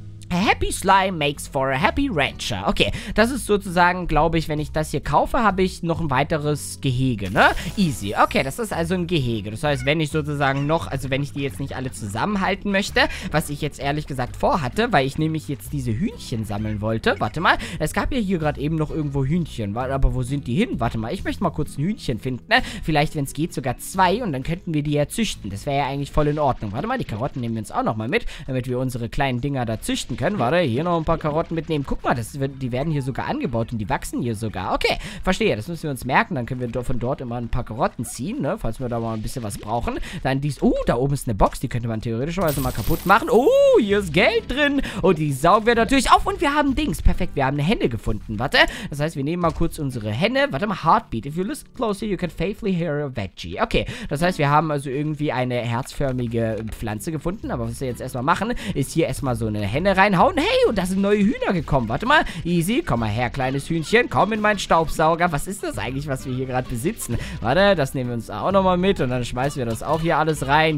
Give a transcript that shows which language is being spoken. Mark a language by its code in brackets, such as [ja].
[en] A happy slime makes for a happy rancher. [de] Okay, das ist sozusagen, glaube ich, wenn ich das hier kaufe, habe ich noch ein weiteres Gehege, ne? Easy. Okay, das ist also ein Gehege. Das heißt, wenn ich sozusagen noch, also wenn ich die jetzt nicht alle zusammenhalten möchte, was ich jetzt ehrlich gesagt vorhatte, weil ich nämlich jetzt diese Hühnchen sammeln wollte. Warte mal, es gab ja hier gerade eben noch irgendwo Hühnchen. Aber wo sind die hin? Warte mal, ich möchte mal kurz ein Hühnchen finden, ne? Vielleicht, wenn es geht, sogar zwei und dann könnten wir die ja züchten. Das wäre ja eigentlich voll in Ordnung. Warte mal, die Karotten nehmen wir uns auch nochmal mit, damit wir unsere kleinen Dinger da züchten können. Warte, hier noch ein paar Karotten mitnehmen. Guck mal, die werden hier sogar angebaut und die wachsen hier sogar. Okay, verstehe. Das müssen wir uns merken. Dann können wir von dort immer ein paar Karotten ziehen, ne? Falls wir da mal ein bisschen was brauchen. Dann dies. Da oben ist eine Box. Die könnte man theoretischerweise mal kaputt machen. Hier ist Geld drin. Und die saugen wir natürlich auf. Und wir haben Dings. Perfekt. Wir haben eine Henne gefunden. Warte. Das heißt, wir nehmen mal kurz unsere Henne. Warte mal. Heartbeat. [en] If you listen closely, you can faithfully hear a veggie. Okay. [de] Das heißt, wir haben also irgendwie eine herzförmige Pflanze gefunden. Aber was wir jetzt erstmal machen, ist hier erstmal so eine Henne rein. Hey, und da sind neue Hühner gekommen. Warte mal. Easy. Komm mal her, kleines Hühnchen. Komm in meinen Staubsauger. Was ist das eigentlich, was wir hier gerade besitzen? Warte, das nehmen wir uns auch nochmal mit. Und dann schmeißen wir das auch hier alles rein.